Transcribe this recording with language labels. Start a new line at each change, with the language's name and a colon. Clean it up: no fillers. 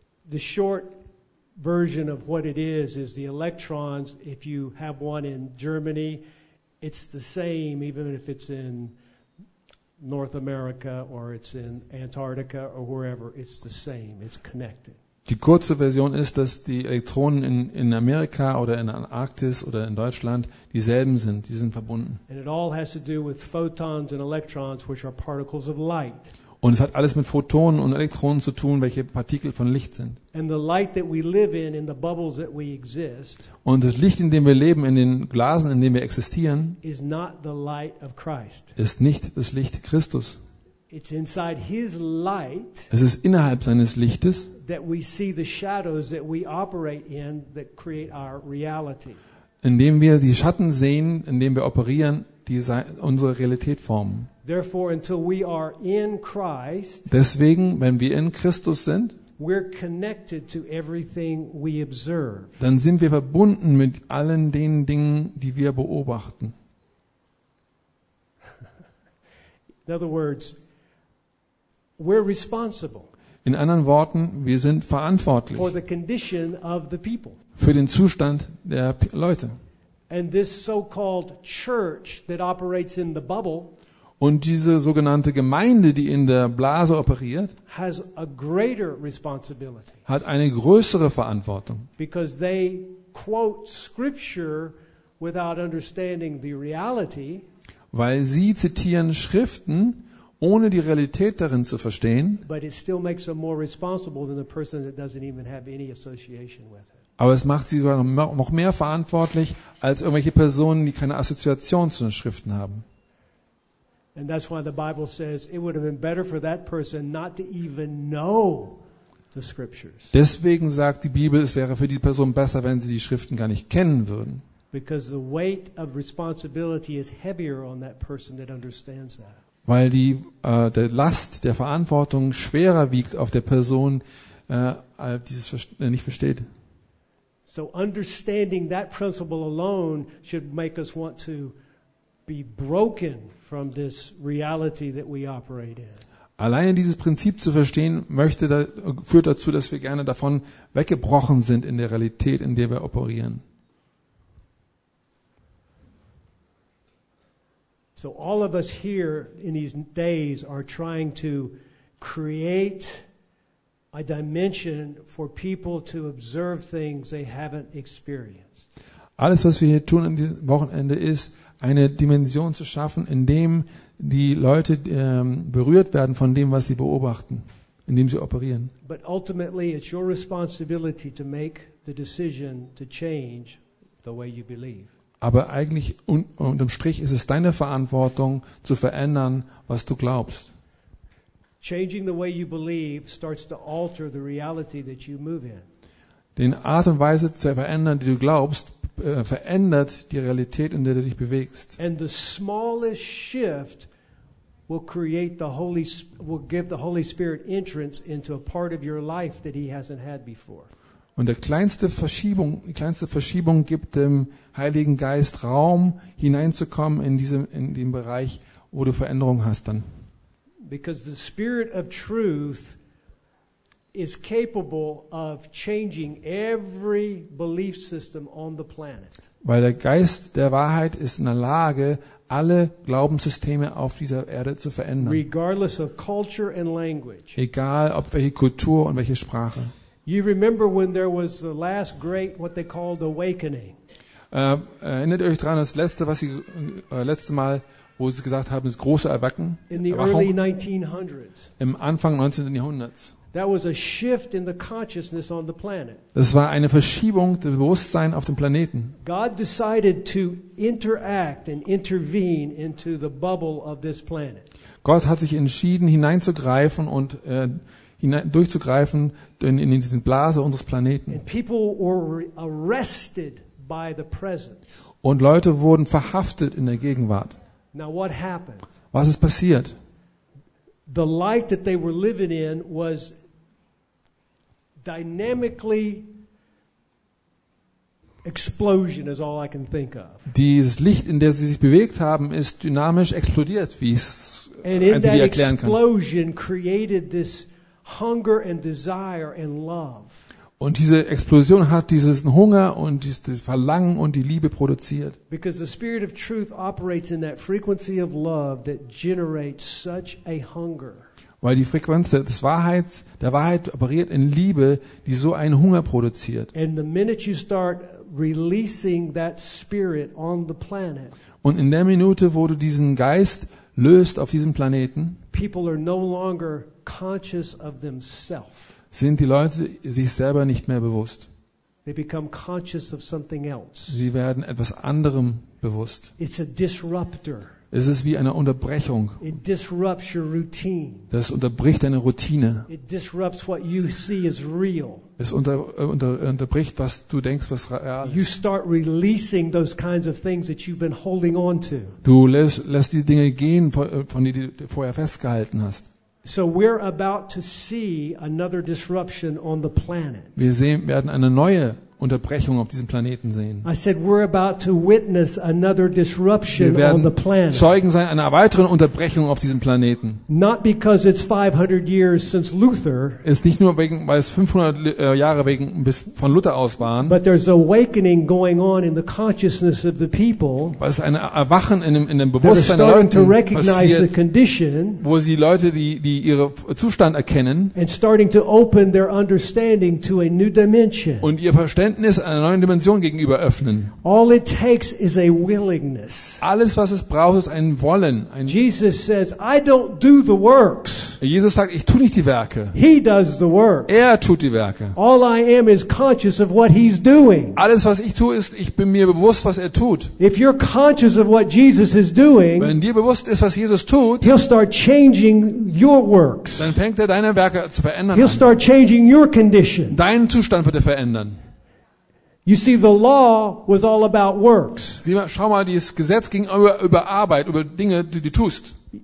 English: The short version of what it is the electrons, if you have one in Germany, it's the same even if it's in North America or it's in Antarctica or wherever, it's the same, it's connected.
German: Die kurze Version ist, dass die Elektronen in Amerika oder in Antarktis oder in Deutschland dieselben sind, die sind verbunden.
English: And it all has to do with photons and electrons, which are particles of light.
German: Und es hat alles mit Photonen und Elektronen zu tun, welche Partikel von Licht sind.
English: And the light that we live in the bubbles that we exist.
German: Und das Licht, in dem wir leben, in den Blasen, in denen wir existieren,
English: is not the light of Christ.
German: Ist nicht das Licht Christus.
English: It's inside his light.
German: Es ist innerhalb seines Lichtes,
English: that we see the shadows that we operate in that create our reality.
German: Indem wir die Schatten sehen, in denen wir operieren, die unsere Realität formen.
English: Therefore, until we are in Christ,
German: deswegen, wenn wir in Christus sind,
English: we're connected to everything we observe.
German: Dann sind wir verbunden mit allen den Dingen, die wir beobachten.
English: In other words, we're responsible.
German: In anderen Worten, wir sind verantwortlich
English: for the condition of the people.
German: Für den Zustand der Leute.
English: And this so-called church that operates in the bubble.
German: Und diese sogenannte Gemeinde, die in der Blase operiert,
English: has a greater responsibility,
German: hat eine größere Verantwortung.
English: Because they quote scripture without understanding the reality,
German: weil sie zitieren Schriften, ohne die Realität darin zu verstehen.
English: But it still makes them more responsible than the person that doesn't even have any association with it.
German: Aber es macht sie sogar noch mehr verantwortlich als irgendwelche Personen, die keine Assoziation zu den Schriften haben.
English: And that's why the Bible says it would have been better for that person not to even know the scriptures.
German: Deswegen sagt die Bibel, es wäre für die Person besser, wenn sie die Schriften gar nicht kennen würden.
English: Because the weight of responsibility is heavier on that person that understands that.
German: Weil die der Last der Verantwortung schwerer wiegt auf der Person, dieses nicht versteht.
English: So understanding that principle alone should make us want to be broken from this reality that we operate in.
German: Alleine dieses Prinzip zu verstehen, führt dazu, dass wir gerne davon weggebrochen sind in der Realität, in der wir operieren.
English: So all of us here in these days are trying to create a dimension for people to observe things they haven't experienced.
German: Alles, was wir hier tun an diesem Wochenende, ist, eine Dimension zu schaffen, in dem die Leute berührt werden von dem, was sie beobachten, in dem sie operieren.
English: But ultimately it's your responsibility to make the decision to change the way you believe.
German: Aber eigentlich unterm Strich ist es deine Verantwortung, zu verändern, was du glaubst.
English: Changing the way you believe starts to alter the reality that you move in.
German: Den Art und Weise zu verändern, die du glaubst, verändert die Realität, in der du dich bewegst.
English: And the smallest shift will give the Holy Spirit entrance into a part of your life that he hasn't had before.
German: Und die kleinste Verschiebung gibt dem Heiligen Geist Raum, hineinzukommen in den Bereich, wo du Veränderung hast dann.
English: Because the Spirit of Truth is capable of changing every belief system on the planet.
German: Weil der Geist der Wahrheit ist in der Lage, alle Glaubenssysteme auf dieser Erde zu verändern.
English: Regardless of culture and language.
German: Egal ob welche Kultur und welche Sprache.
English: You remember when there was the last great what they called awakening?
German: Erinnert euch daran, das letzte, was sie letzte Mal, wo sie gesagt haben, das große Erwachen?
English: In the early 1900s.
German: Im Anfang 19. Jahrhunderts.
English: That was a shift in the consciousness on the planet.
German: Das war eine Verschiebung des Bewusstseins auf dem Planeten.
English: God decided to interact and intervene into the bubble of this planet.
German: Gott hat sich entschieden, hineinzugreifen und durchzugreifen in diese Blase unseres Planeten.
English: And people were arrested by the presence.
German: Und Leute wurden verhaftet in der Gegenwart.
English: Now what happened?
German: Was ist passiert?
English: The light that they were living in was dynamically explosion is all I can think of.
German: Dieses Licht, in dem sie sich bewegt haben, ist dynamisch explodiert, wie ich es einzig erklären kann.
English: Explosion created this hunger and desire and love.
German: Und diese Explosion hat diesen Hunger und dieses Verlangen und die Liebe produziert.
English: Because the Spirit of Truth operates in that frequency of love that generates such a hunger.
German: Weil die Frequenz der Wahrheit operiert in Liebe, die so einen Hunger produziert.
English: And the minute you start releasing that spirit on the planet.
German: Und in der Minute, wo du diesen Geist löst auf diesem Planeten,
English: people are no longer conscious of themselves.
German: Sind die Leute sich selber nicht mehr bewusst.
English: They become conscious of something else.
German: Sie werden etwas anderem bewusst.
English: It's a disruptor.
German: Es ist wie eine Unterbrechung.
English: It disrupts your routine.
German: Das unterbricht deine Routine.
English: It disrupts what you see as real.
German: Es unterbricht, was du denkst, was real ist.
English: You start releasing those kinds of things that you've been holding on to.
German: Du lässt die Dinge gehen, von denen du vorher festgehalten hast.
English: So we're about to see another disruption on the planet.
German: Wir werden eine neue Unterbrechung auf diesem Planeten sehen.
English: I said we're about to witness another disruption on the planet.
German: Zeugen sein einer weiteren Unterbrechung auf diesem Planeten.
English: Not because it's 500 years since Luther.
German: Ist nicht nur weil es 500 Jahre bis von Luther aus waren.
English: But there's awakening going on in the consciousness of the people.
German: Weil es ein Erwachen in dem Bewusstsein der Leute passiert, wo sie Leute, die ihren Zustand erkennen,
English: and starting to open their understanding to a new dimension.
German: Und ihr Verständnis einer neuen Dimension gegenüber öffnen.
English: All it takes is a willingness.
German: Alles, was es braucht, ist ein Wollen.
English: Jesus says, I don't do the works.
German: Jesus sagt, ich tue nicht die Werke.
English: He does the work.
German: Er tut die Werke.
English: All I am is conscious of what he's doing.
German: Alles, was ich tue, ist, ich bin mir bewusst, was er tut.
English: If you're conscious of what Jesus is doing,
German: wenn dir bewusst ist, was Jesus tut,
English: he'll start changing your works.
German: Dann fängt er deine Werke zu verändern.
English: He'll start changing your condition.
German: Deinen Zustand wird er verändern.
English: You see, the law was all about works.
German: Sieh mal, schau mal, dieses Gesetz ging über Arbeit, über Dinge, die du tust.